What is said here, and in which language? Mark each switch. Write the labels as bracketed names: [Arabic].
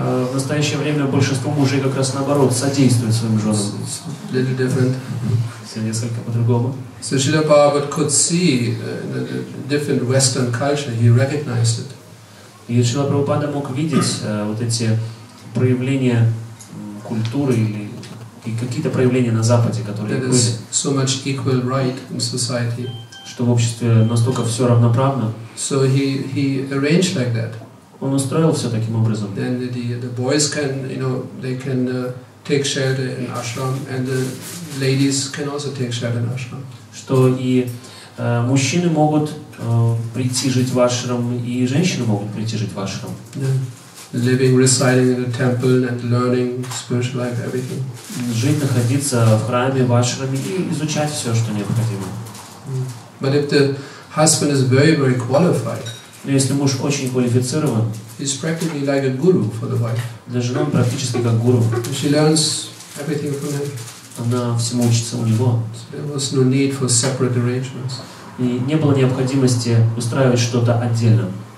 [Russian] В настоящее время большинство мужей как раз наоборот содействуют своим женам. [English] It's a little different. [Russian] Все несколько по-другому. [English] So Srila Prabhupada could see the different Western culture. He recognized it. [Russian] И Srila Prabhupada мог видеть вот эти проявления культуры или и какие-то проявления на Западе, которые [English] that [Russian] были. [English] So much equal right in society. [Russian] Что в обществе настолько все равноправно. [English] So he arranged like that. [Russian] Он устроил все таким образом. [English] Then the boys can, you know, they can take shelter in ashram, and the ladies can also take shelter in ashram. [Russian] Что и мужчины могут прийти жить в ашрам, и женщины могут прийти жить в ашрам. [English] Yeah. Living, residing in a temple and learning spiritual life, everything. [Russian] Жить, находиться в храме, в ашраме и изучать все, что необходимо. [English] But if the husband is very, very qualified, [Russian] но если муж очень квалифицирован, [English] he's practically like a guru for the wife. [Russian] Для жены он практически как гуру. [English] She learns everything from him. [Russian] Она всему учится у него. [English] There was no need for separate arrangements. [Russian] И не было необходимости устраивать что-то отдельно.